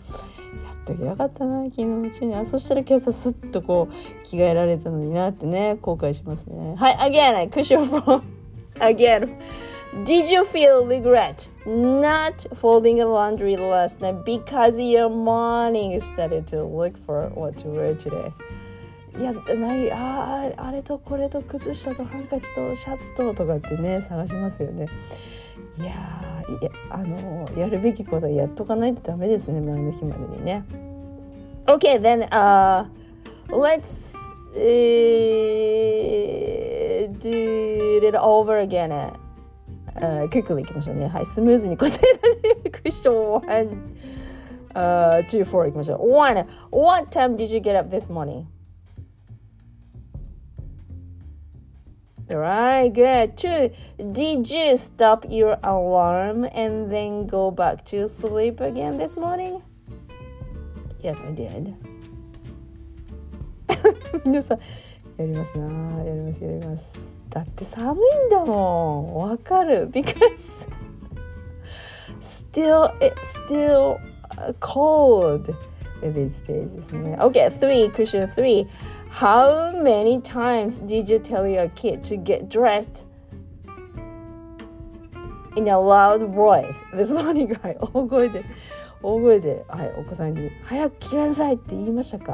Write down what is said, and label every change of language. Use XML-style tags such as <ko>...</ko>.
<ja>やっときゃよかったな、昨日のうちに。そしたら今朝すっとこう着替えられたのになってね、後悔しますね。はい、</ja> <en>again, question four. Again, did you feel regret not folding the laundry last night because your morning started to look for what to wear today?</en> <ja>いやないあれとこれと靴下とハンカチとシャツととかってね探しますよねいややるべきことはやっとかないとダメですね前の日までにね</ja> <en>OK then let's do it over again quickly</en> <ja>いきましょうねはいスムーズに答えられるクエスチョン1 2 4いきましょう</ja> <en>1 What time did you get up this morningAlright, good. Two, did you stop your alarm and then go back to sleep again this morning? Yes, I did.</en> <ja>皆さん、やりますな、やります、やります。だって寒いんだもん。わかる。</ja> <en>Because it's still cold these days, isn't it? Okay, three, cushion three. How many times did you tell your kid to get dressed in a loud voice this morning?</en> <ja>大声で、はい、お子さんに早く着なさいって言いましたか?</ja>